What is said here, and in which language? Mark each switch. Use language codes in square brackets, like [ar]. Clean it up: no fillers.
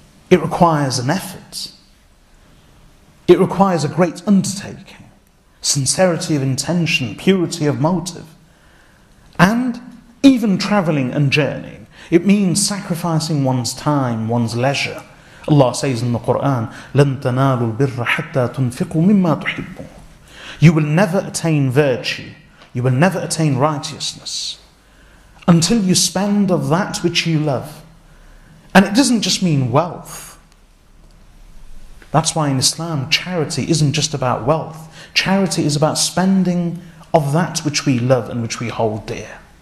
[en] It requires an effort. It requires a great undertaking, sincerity of intention, purity of motive, and even travelling and journeying. It means sacrificing one's time, one's leisure. [ar] Allah says in the Quran, لَن تَنَالُوا الْبِرَّ حَتَّى تُنْفِقُوا مِمَّا تُحِبُّونَ. [en] You will never attain virtue. You will never attain righteousness until you spend of that which you love. And it doesn't just mean wealth. That's why in Islam, charity isn't just about wealth. Charity is about spending of that which we love and which we hold dear.